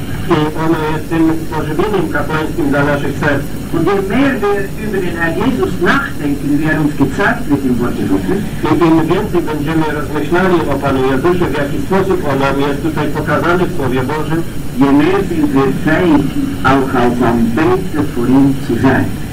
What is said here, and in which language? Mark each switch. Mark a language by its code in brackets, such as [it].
[pl] I ono jest tym pożywieniem kapłańskim dla naszych serc. [de] Und je mehr wir über den Herrn Jesus nachdenken, wie er uns gezeigt wird im Wort Gottes, [pl] im więcej będziemy rozmyślali o Panu Jezusie, w jaki sposób on nam jest tutaj pokazany w Słowie Bożym, [de] je mehr sind wir fähig, auch als Anbeter vor ihm zu sein.